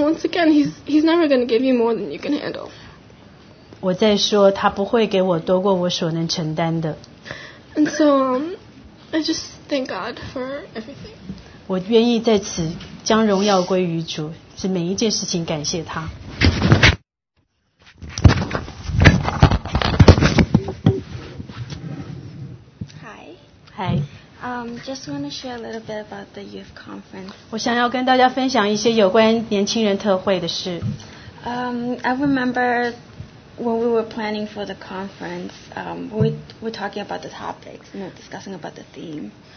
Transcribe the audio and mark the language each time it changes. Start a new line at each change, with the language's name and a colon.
English: once again, he's never going to give you more than you can handle.
Chinese: 我在说，他不会给我多过我所能承担的。And
English: so I just thank God for everything.
Chinese: 我愿意在此将荣耀归于主，是每一件事情感谢他。
English: Just want to share a little bit about the youth conference.
Chinese: 我想要跟大家分享一些有关年轻人特会的事。
English: I remember when we were planning for the conference, we were talking about the topics, you know, discussing about the theme.